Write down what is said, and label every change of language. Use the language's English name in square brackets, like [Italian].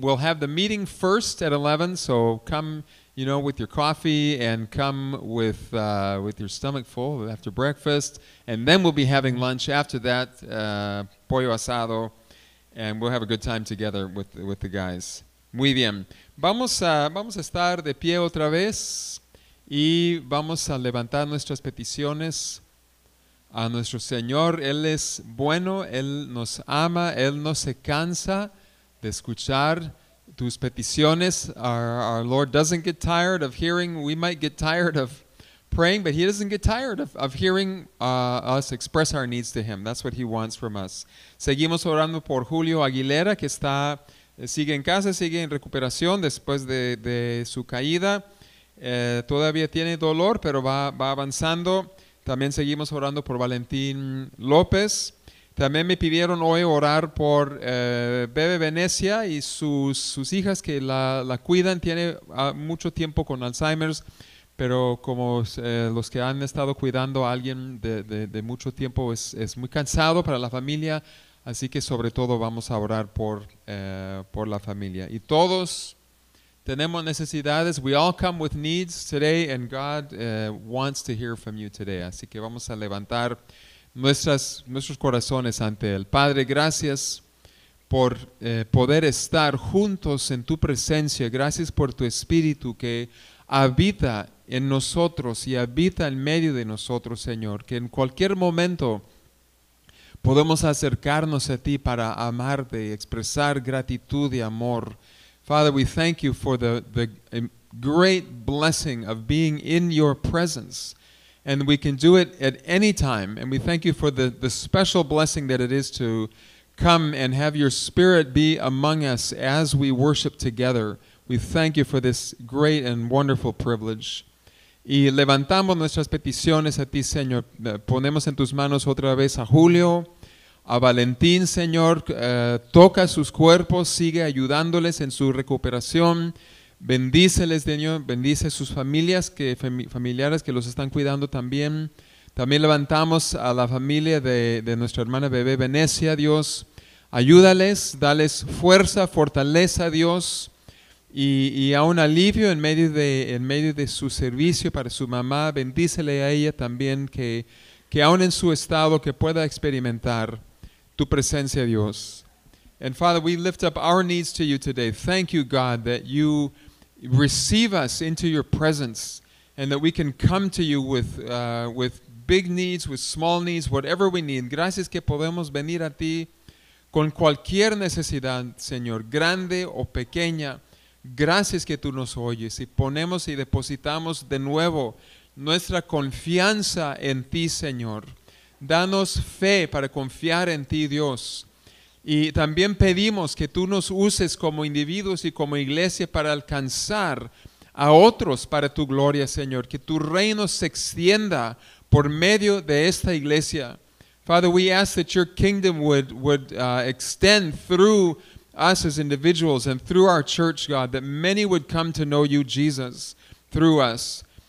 [English] We'll have the meeting first at 11, so come, you know, with your coffee and come with your stomach full after breakfast. And then we'll be having lunch after that, [Spanish] pollo asado, [English] and we'll have a good time together with the guys. [Spanish] Muy bien. Vamos a estar de pie otra vez y vamos a levantar nuestras peticiones a nuestro Señor. Él es bueno, Él nos ama, Él no se cansa de escuchar tus peticiones. [English] Our Lord doesn't get tired of hearing. We might get tired of praying, but He doesn't get tired of hearing us express our needs to Him. That's what He wants from us. [Spanish] Seguimos orando por Julio Aguilera, que está, sigue en casa, sigue en recuperación después de su caída. Todavía tiene dolor, pero va avanzando. También seguimos orando por Valentín López. También me pidieron hoy orar por Bebe Venecia y sus hijas que la cuidan. Tiene mucho tiempo con Alzheimer's, pero como los que han estado cuidando a alguien de mucho tiempo, es muy cansado para la familia. Así que sobre todo vamos a orar por la familia. Y todos tenemos necesidades. [English] We all come with needs today, and God wants to hear from you today. [Spanish] Así que vamos a levantar nuestros corazones ante Él. Padre, gracias por poder estar juntos en tu presencia. Gracias por tu Espíritu que habita en nosotros y habita en medio de nosotros, Señor. Que en cualquier momento podemos acercarnos a ti para amarte y expresar gratitud y amor. [English] Father, we thank you for the great blessing of being in your presence. And we can do it at any time. And we thank you for the special blessing that it is to come and have your Spirit be among us as we worship together. We thank you for this great and wonderful privilege. [Spanish] Y levantamos nuestras peticiones a ti, Señor. Ponemos en tus manos otra vez a Julio, a Valentín, Señor. Toca sus cuerpos, sigue ayudándoles en su recuperación. Bendíceles, Señor. Bendice sus familias, familiares que los están cuidando también. También levantamos a la familia de nuestra hermana Bebé Venecia, Dios. Ayúdales, dales fuerza, fortaleza, Dios. Y a un alivio en medio de su servicio para su mamá. Bendícele a ella también, que aún en su estado que pueda experimentar tu presencia, Dios. [English] And Father, we lift up our needs to you today. Thank you, God, that you receive us into your presence and that we can come to you with big needs, with small needs, whatever we need. [Spanish] Gracias que podemos venir a ti con cualquier necesidad, Señor, grande o pequeña. Gracias que tú nos oyes y ponemos y depositamos de nuevo nuestra confianza en ti, Señor. Danos fe para confiar en ti, Dios. Y también pedimos que tú nos uses como individuos y como iglesia para alcanzar a otros para tu gloria, Señor. Que tu reino se extienda por medio de esta iglesia. [English] Father, we ask that your kingdom would extend through us as individuals and through our church, God, that many would come to know you, Jesus, through us.